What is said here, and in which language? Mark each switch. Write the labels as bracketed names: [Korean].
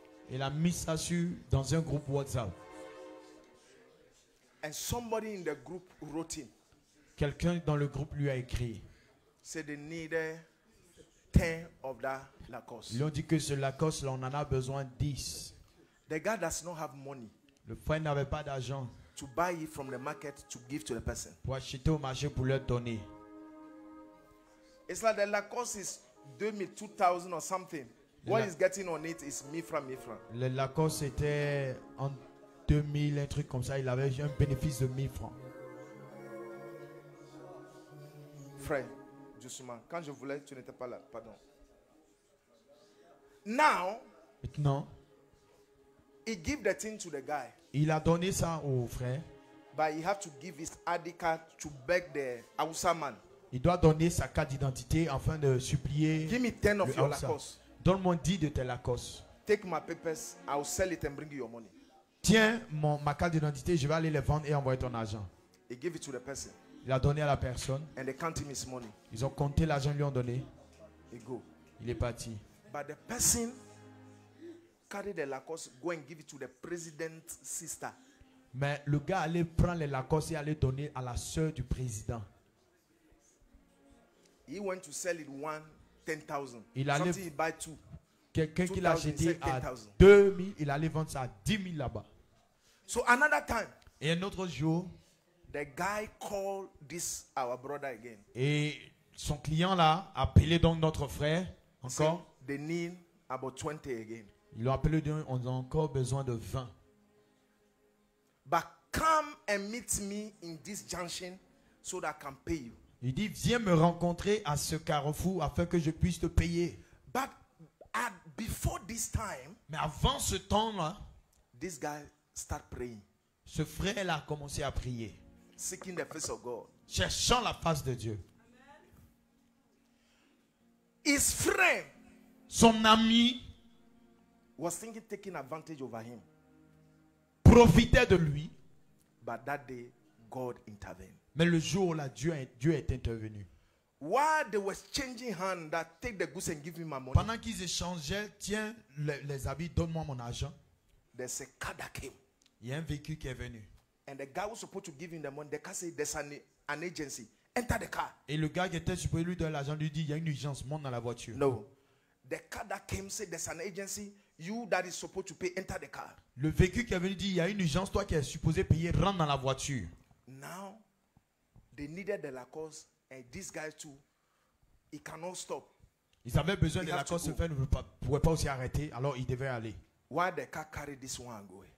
[French] Il a mis ça sur dans un groupe WhatsApp. [English] And somebody in the group wrote him. [French] Quelqu'un dans le groupe lui a écrit. [English] Said they needed 10 of that Lacoste. [French] Ils ont dit que ce Lacoste, là, on en a besoin 10. [English] The guy does not have money. [French] Le frère n'avait pas d'argent. [English] To buy it from the market to give to the person. [French] Pour acheter au marché pour leur donner. [English] It's like the Lacoste is 2000, 2000 or something. What is getting on it is Mifra Mifra. [French] Le Lacoste était en 2000, un truc comme ça, il avait un bénéfice de 1000 francs. Frère, doucement, quand je voulais, tu n'étais pas là, pardon. [English] Now, [French] maintenant, [English] he give the thing to the guy. [French] Il a donné ça au frère. [English] But he have to give his ID card to beg the Hausa man. [French] Il doit donner sa carte d'identité afin de supplier. [English] Give me 10 of your Lacoste. [French] Donne-moi 10 de tes Lacoste. [English] Take my papers, I'll sell it and bring you your money. [French] Tiens ma carte d'identité, je vais aller les vendre et envoyer ton argent. [English] He gave it to the person. [French] Il a donné à la personne. [English] And they counted his money. [French] Ils ont compté l'argent qu'ils lui ont donné. [English] He go. [French] Il est parti. [English] But the person carried the Lacoste, go and give it to the president's sister. [French] Mais le gars allait prendre les Lacoste et allait donner à la sœur du président. [English] He went to sell it one 10,000. [French] Il allait sortir, [English] buy two. [French] Quelqu'un qui l'a acheté à 2000, il allait vendre ça à 10,000 là-bas. [English] So another time. [French] Et un autre jour, [English] the guy called this our brother again. [French] Et son client là a appelé donc notre frère encore. [English] They need about 20 again. [French] Il l'a appelé donc on a encore besoin de 20. [English] But come and meet me in this junction so that I can pay you. [French] Il dit viens me rencontrer à ce carrefour afin que je puisse te payer. [English] But before this time, [French] mais avant ce temps-là, [English] this guy start praying. [French] Ce frère-là a commencé à prier. [English] Seeking the face of God. [French] Cherchant la face de Dieu. [English] His friend, [French] son ami, [English] was thinking taking advantage over him. [French] Profitait de lui. [English] But that day, God intervened. [French] Mais le jour-là, Dieu est intervenu. [English] While they were changing hands, that take the goods and give me my money. [French] Pendant qu'ils échangeaient, tiens les habits, donne-moi mon argent. [English] There's a car that came. [French] Il y a un véhicule qui est venu. [English] And the guy was supposed to give him the money. The car said, "There's an agency. Enter the car." [French] Et le gars qui était supposé lui donner l'argent lui dit, "Il y a une urgence, monte dans la voiture." [English] No, the car that came said, "There's an agency. You that is supposed to pay, enter the car." [French] Le véhicule qui est venu dit, "Il y a une urgence, toi qui es supposé payer, rentre dans la voiture." [English] Now, they needed the Lacoste. And this guy too, he cannot stop. [French] Ils avaient besoin de Lacoste, ce frère ne pouvait pas aussi arrêter, alors il devait aller. [English] Why the car carried this one away?